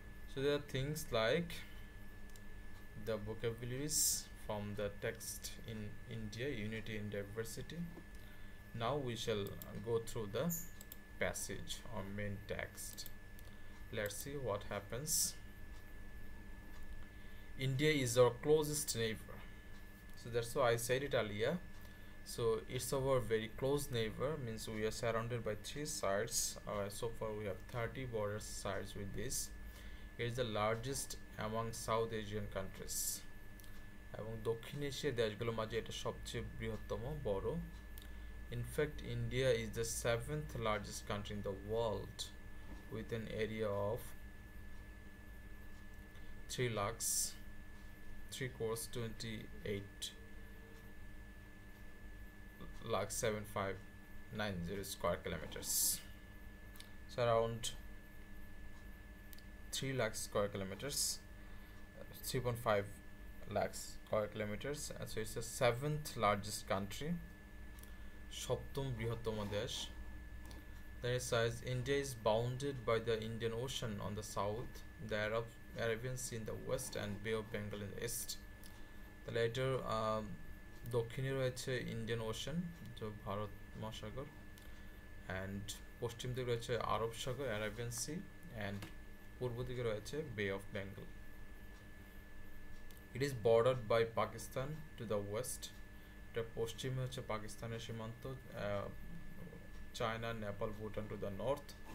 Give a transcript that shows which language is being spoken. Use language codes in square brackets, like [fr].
[en] So they are things like the vocabularies from the text in India, unity in diversity. Now we shall go through the passage or main text. Let's see what happens. India is our closest neighbor. So that's why I said it earlier. So it's our very close neighbor, means we are surrounded by 3 sides. So far we have 30 border sides with this. It is the largest among South Asian countries. [bn] এবং দক্ষিণ এশিয়ার দেশগুলোর মাঝে এটা সবচেয়ে বৃহত্তম, বড়. [en] In fact, India is the 7th largest country in the world with an area of 3,28,7590 square kilometers. So around 3 lakh square kilometers, 3.5 lakh square kilometers. And so it's the 7th largest country, [bn] সপ্তম বৃহত্তম দেশ. [en] Then it says India is bounded by the Indian Ocean on the south, the Arabian Sea in the west, and Bay of Bengal in the east. The latter [bn] দক্ষিণে রয়েছে Indian ocean, যে ভারত মহাসাগর, and পশ্চিম দিকে রয়েছে আরব সাগর, Arabian C, and পূর্ব দিকে রয়েছে বে of Bengal. [en] It is bordered by Pakistan to the west. [bn] এটা পশ্চিমে হচ্ছে পাকিস্তানের সীমান্ত, [en] China, Nepal, Bhutan to the north,